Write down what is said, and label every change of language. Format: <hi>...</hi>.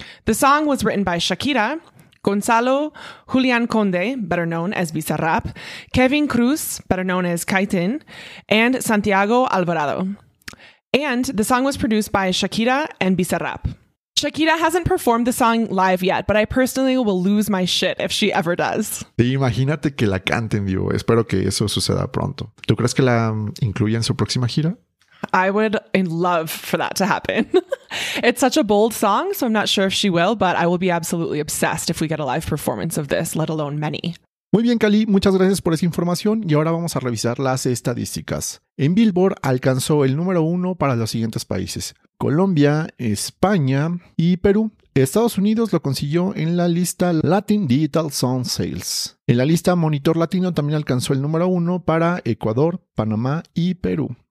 <en>The song was written by Shakira, Gonzalo Julián Conde, better known as Bizarrap, Kevin Cruz, better known as Kaitin, and Santiago Alvarado. And the song was produced by Shakira and Bizarrap. Shakira hasn't performed the song live yet, but I personally will lose my shit if she ever does.</en> <es>Imagínate que la cante en vivo. Espero que eso suceda pronto. ¿Tú crees que la incluya en su próxima gira?</es> <en>I would love for that to happen. It's such a bold song, so I'm not sure if she will, but I will be absolutely obsessed if we get a live performance of this, let alone many.</en> <es>Muy bien, Cali. Muchas gracias por esa información. Y ahora vamos a revisar las estadísticas. En Billboard alcanzó el número uno para los siguientes países: Colombia, España y Perú. Estados Unidos lo consiguió en la lista Latin Digital Song Sales. En la lista Monitor Latino también alcanzó el número uno para Ecuador, Panamá y Perú.</es>